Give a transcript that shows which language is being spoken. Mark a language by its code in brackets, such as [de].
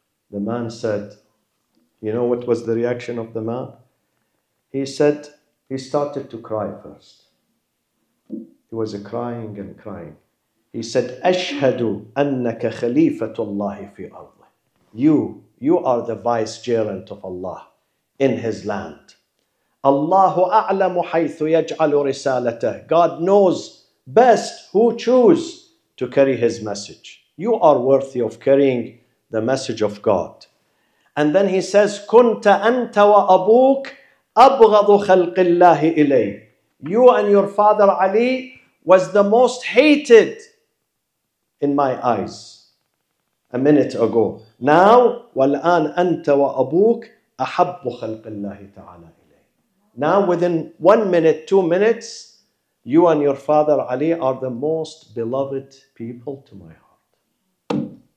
[en] The man said, you know what was the reaction of the man? He said, he started to cry first. He was crying and crying. He said, [ar] أَشْهَدُ أَنَّكَ خَلِيفَةُ اللَّهِ فِي أَرْضِ. [en] You are the vicegerent of Allah in his land. [ar] اللَّهُ أَعْلَمُ حَيْثُ يَجْعَلُ رِسَالَتَهُ. [en] God knows best who choose to carry his message. You are worthy of carrying the message of God. And then he says, [ar] كُنْتَ أَنْتَ وَأَبُوكَ أَبْغَضُ خَلْقِ اللَّهِ إِلَيْهِ. [en] You and your father Ali was the most hated in my eyes a minute ago. [ar] Now, وَالْآنَ أَنْتَ وَأَبُوكَ أَحَبُّ خَلْقِ اللَّهِ تَعَالَى إِلَيْهِ. [en] Now, within 1 minute, 2 minutes, you and your father Ali are the most beloved people to my heart.